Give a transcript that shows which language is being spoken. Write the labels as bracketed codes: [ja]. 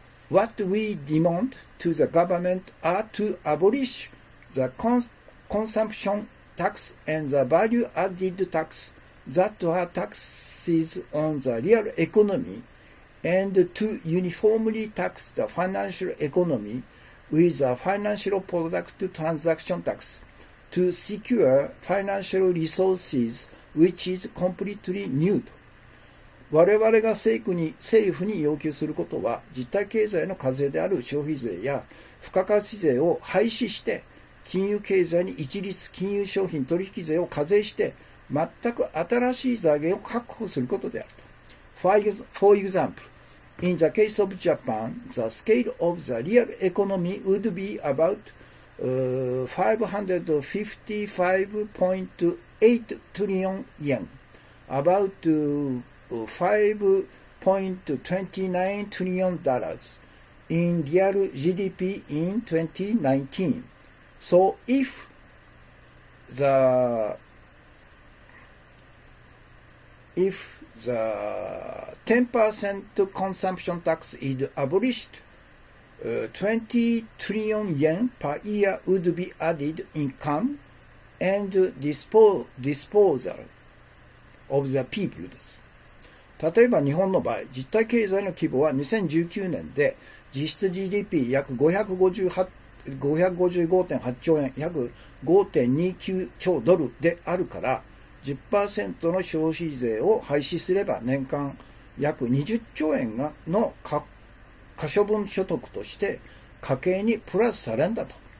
[en] What we demand to the government are to abolish the consumption tax and the value-added tax that are taxes on the real economy and to uniformly tax the financial economy with the financial product transaction tax to secure financial resources which is completely new. [ja] 我々が政府に要求することは、実体経済の課税である消費税や付加価値税を廃止して、金融経済に一律金融商品取引税を課税して、全く新しい財源を確保することである。 [en] For example, in the case of Japan, the scale of the real economy would be about 555.8 trillion yen, about 5.29 trillion dollars in real GDP in 2019. So if the the 10% consumption tax is abolished, 20 trillion yen per year would be added income and disposal of the people. [ja] 例えば日本の場合、実体経済の規模は2019年で実質 GDP 約 555.8 兆円、約 5.29 兆ドルであるから、 10% の消費税を廃止すれば年間約20兆円の可処分所得として家計にプラスされんだと。